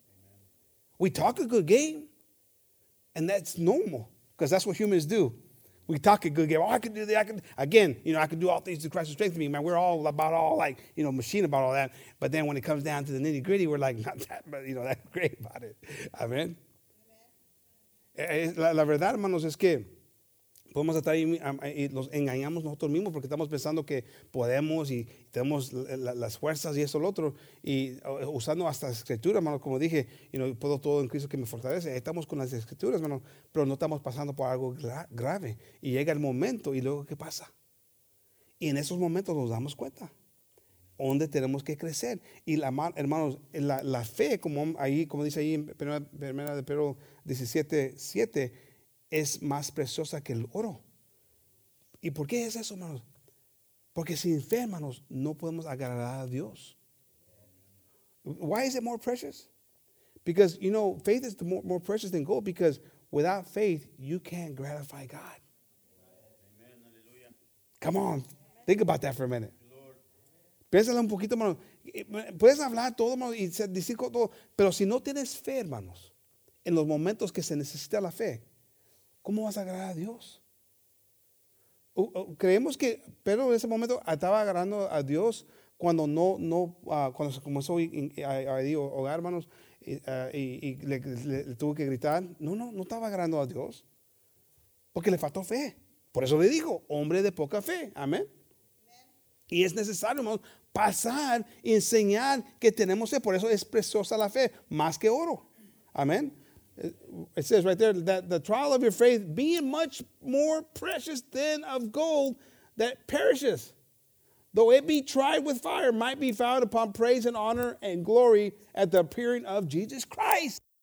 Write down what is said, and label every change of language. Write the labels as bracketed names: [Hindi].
[English] Amen. We talk a good game. And that's normal. Because that's what humans do. We talk a good game. Oh, I can do that. I can do all things through Christ who strengthens me. Man, we're all about all, like, you know, machine about all that. But then when it comes down to the nitty gritty, we're like, not that, but, you know, that great about it. Amen. [Spanish] La verdad, hermanos, es que podemos estar ahí, los engañamos nosotros mismos porque estamos pensando que podemos y tenemos las fuerzas y eso lo otro. Y usando hasta las escrituras, hermanos, como dije, you know, puedo todo en Cristo que me fortalece. Ahí estamos con las escrituras, hermanos, pero no estamos pasando por algo grave. Y llega el momento y luego, ¿qué pasa? Y en esos momentos nos damos cuenta dónde tenemos que crecer. Y, hermanos, la fe, como dice ahí en 1 de Pedro 17:7, es más preciosa que el oro. ¿Y por qué es eso, hermanos? Porque sin fe, hermanos, no podemos agradar a Dios. [English] Why is it more precious? Because, you know, faith is more precious than gold, because without faith, you can't gratify God. Amen. Come on, think about that for a minute. [Spanish] Piénsalo un poquito, hermanos. Puedes hablar todo, hermanos, y decir todo, pero si no tienes fe, hermanos, en los momentos que se necesita la fe, ¿cómo vas a agradar a Dios? Creemos que Pedro en ese momento estaba agradando a Dios cuando cuando se comenzó a ahogar, hermanos, y le tuvo que gritar. No estaba agradando a Dios porque le faltó fe. Por eso le digo, hombre de poca fe. Amén. Y es necesario, hermanos, pasar y enseñar que tenemos fe. Por eso es preciosa la fe, más que oro. Amén. [English] It says right there that the trial of your faith being much more precious than of gold that perishes, though it be tried with fire, might be found upon praise and honor and glory at the appearing of Jesus Christ.